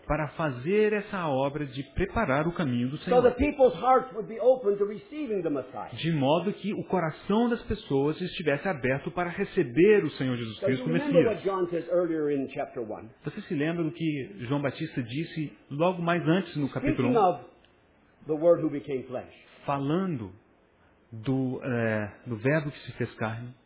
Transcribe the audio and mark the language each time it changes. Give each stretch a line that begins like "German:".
Portuguese: Para fazer essa obra de preparar o caminho do Senhor.
English: So the people's hearts would be open to receiving the Messiah.
Portuguese: De modo que o coração das pessoas estivesse aberto para receber o Senhor Jesus Cristo como Messias.
English: Remember what John says earlier in chapter 1.
Portuguese: Você se lembra do que João Batista disse logo mais antes no capítulo 1?
English: Speaking of the Word who became flesh.
Portuguese: Falando do verbo que se fez carne.